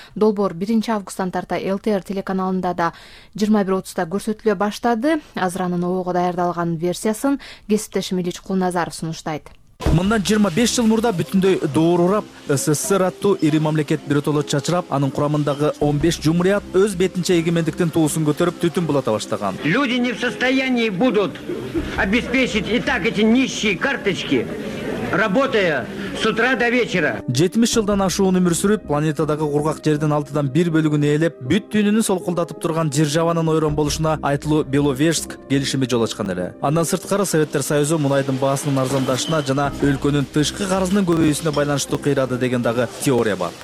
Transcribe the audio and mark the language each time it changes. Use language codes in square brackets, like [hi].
[ky] Долбоор 1-августтан тарта ЛТР телеканалында да 21:30 көрсөтүлө баштады. Азыранын ООГО даярдалган версиясы кесиптешим Ильич Кулназаров сунуштайт. Мындан 25 жыл мурда бүтүндөй доорураб СССР аттуу ири мамлекет биротоло чачырап, анын курамындагы 15 жумурият өз бетинче эгемендиктин туусун көтөрүп түтүн булата баштаган. [ru] Люди не в состоянии будут обеспечить и так эти нищие карточки, работая с утра до вечера. [ky] 70 жылдан ашуун өмүр сүрүп, планетадагы кургак жердин 1/6 бир бөлүгүн ээлеп, бүт дүйнөнү солкулдатып турган державанын ойрон болушуна айтылуу Беловежск келишими жол ачкан эле. Андан сырткары Советтер Союзу мунайдын баасынын арзандашына жана өлкөнүн тышкы карызынын көбөйүүсүнө байланыштуу кыйрады деген дагы теория бар.